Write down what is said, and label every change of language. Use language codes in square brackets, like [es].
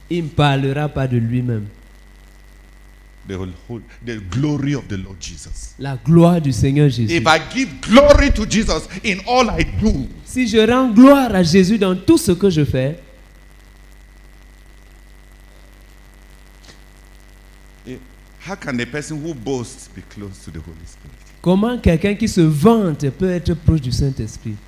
[fr] Il ne parlera pas de lui-même. [en] The glory of the Lord Jesus. [fr] La gloire du Seigneur Jésus. [en] If I give glory to Jesus in all I do, [fr] si je rends gloire à Jésus dans tout ce que je fais, [en] how can a person who boasts be close to the Holy Spirit? [fr] Comment quelqu'un qui se vante peut être proche du Saint-Esprit?